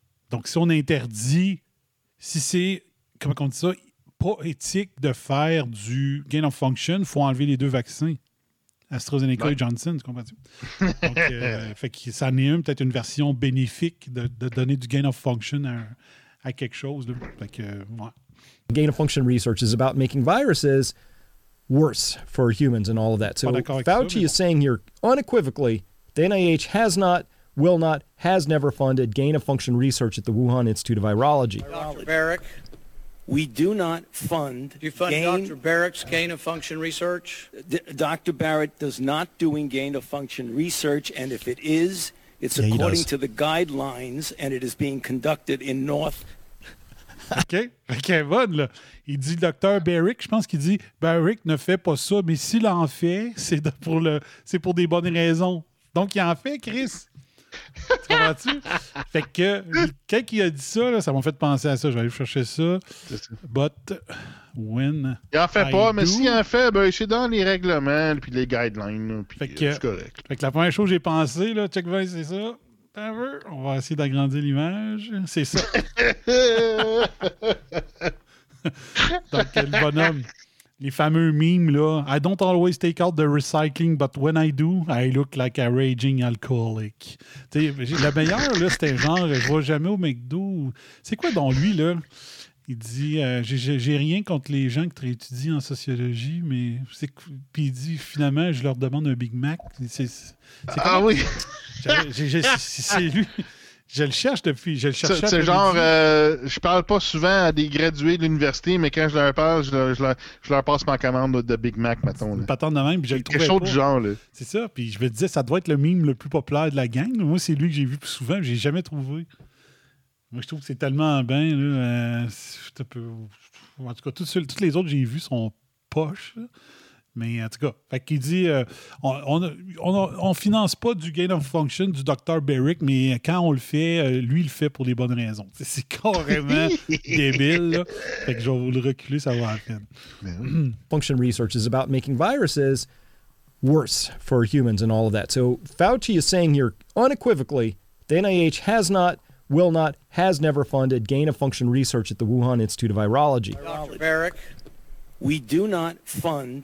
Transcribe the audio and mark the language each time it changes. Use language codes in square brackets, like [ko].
[fr] Donc, si on interdit, si c'est, comment on dit ça, pas éthique de faire du gain of function, il faut enlever les deux vaccins. AstraZeneca et Johnson, tu comprends-tu? fait que ça en est peut-être une version bénéfique de donner du gain of function à quelque chose. Là. Fait que, ouais. [en] Gain of function research is about making viruses worse for humans and all of that. So Fauci is saying here unequivocally, the NIH has not, will not, has never funded gain of function research at the Wuhan Institute of Virology. Dr. Barrick, we do not fund. Do you fund Dr. Barrett's gain of function research? Dr. Barrett does not doing gain of function research, and if it is, it's according to the guidelines, and it is being conducted in North. [fr] Okay, bon là. Il dit Dr. Barrick. Je pense qu'il dit Barrick ne fait pas ça, mais s'il en fait, c'est pour des bonnes raisons. Donc il en fait, Chris. Tu comprends-tu? Fait que quand il a dit ça, là, ça m'a fait penser à ça. Je vais aller chercher ça. [en] But when. [fr] Il en fait mais s'il en fait, ben c'est dans les règlements et les guidelines. Là, puis c'est correct. Fait que la première chose que j'ai pensé, là, check 20, c'est ça. T'en veux? On va essayer d'agrandir l'image. C'est ça. Donc quel bonhomme. Les fameux memes, là. [en] I don't always take out the recycling, but when I do, I look like a raging alcoholic. [fr] Le meilleur, là, c'était genre, je vois jamais au McDo. C'est quoi dans lui, là? Il dit, j'ai rien contre les gens que tu étudies en sociologie, mais. Puis il dit, finalement, je leur demande un Big Mac. C'est ah oui! C'est lui. Je le cherche depuis. Je le cherche depuis. C'est genre, je parle pas souvent à des gradués de l'université, mais quand je leur parle, je leur passe ma commande de Big Mac, mettons. Pas tant de même, puis je le trouvais quelque chose pas. Du genre, là. C'est ça, puis je me disais, ça doit être le mime le plus populaire de la gang. Moi, c'est lui que j'ai vu plus souvent, puis j'ai jamais trouvé. Moi, je trouve que c'est tellement bien, là. C'est un peu... En tout cas, toutes les autres que j'ai vues sont poches, mais en tout cas, fait qu'il dit on finance pas du gain of function du Dr. Berrick, mais quand on le fait, lui il le fait pour les bonnes raisons. C'est carrément débile. Là. Fait que je vais vous le reculer, ça va à peine. [en] Function research is about making viruses worse for humans and all of that. So Fauci is saying here unequivocally, the NIH has not, will not, has never funded gain of function research at the Wuhan Institute of Virology. Dr. Berrick. We do not fund.